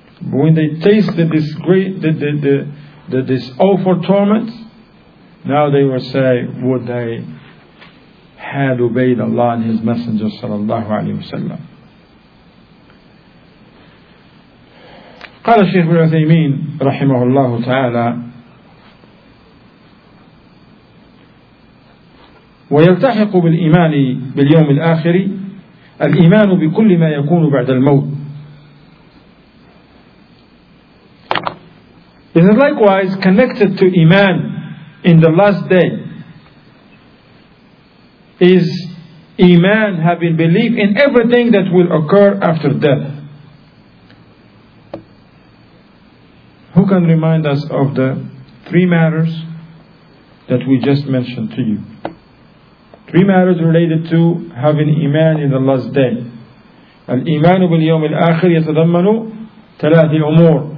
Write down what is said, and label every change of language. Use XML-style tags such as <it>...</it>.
<en>When they tasted this great, this awful torment, now they will say, would they had obeyed Allah and His Messenger sallallahu alayhi wa sallam.</en> <ar>قال الشيخ ابن عثيمين رحمه الله تعالى ويلتحق بالإيمان باليوم الآخر الإيمان بكل ما يكون بعد الموت.</ar> <en>It is likewise connected to iman in the last day. Is iman having belief in everything that will occur after death? Who can remind us of the three matters that we just mentioned to you? Three matters related to having iman in the last day.</en> <ar>الإيمان باليوم الآخر يتضمن ثلاث أمور.</ar>